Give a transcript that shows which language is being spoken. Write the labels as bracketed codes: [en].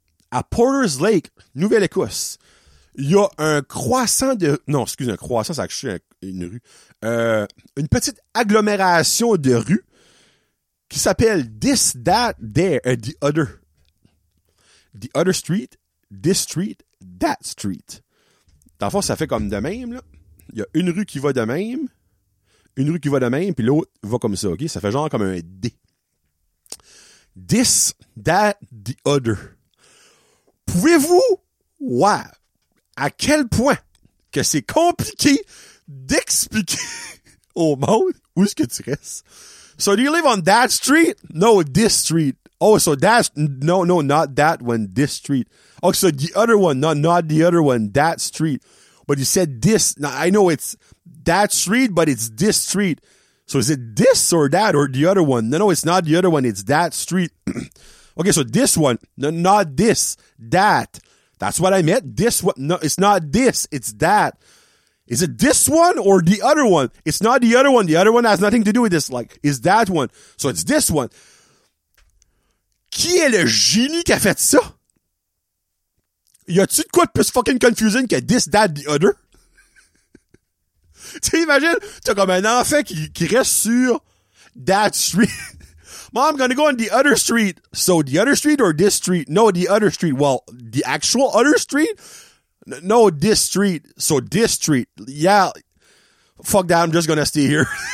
[fr] À Porter's Lake, Nouvelle-Écosse, il y a un croissant de... Non, excusez, un croissant, ça a créé une rue. Une petite agglomération de rues qui s'appelle This, That, There, and The Other. [en] The Other Street, This Street, That Street. [fr] Dans le fond, ça fait comme de même, là. Il y a une rue qui va de même, une rue qui va de même, puis l'autre va comme ça, OK? Ça fait genre comme un D. This, That, The Other. Pouvez-vous voir à quel point que c'est compliqué d'expliquer au monde où est-ce que tu restes? [en] So, do you live on that street? No, this street. Oh, so that's... No, no, not that one, this street. Oh, so the other one. No, not the other one, that street. But you said this. Now, I know it's that street, but it's this street. So, is it this or that or the other one? No, no, it's not the other one. It's that street. Okay, so this one, no, not this, that. That's what I meant. This one, no, it's not this, it's that. Is it this one or the other one? It's not the other one. The other one has nothing to do with this. Like, is that one? So it's this one. [fr] Qui est le génie qui a fait ça? Y a-tu de quoi de plus [en] fucking confusing [fr] que [en] this, that, the other? [fr] Tu sais, imagine, t'as comme un enfant qui reste sur that street. [en] Mom, I'm gonna go on the other street. So, the other street or this street? No, the other street. Well, the actual other street? No, this street. So, this street. Yeah. Fuck that, I'm just gonna stay here.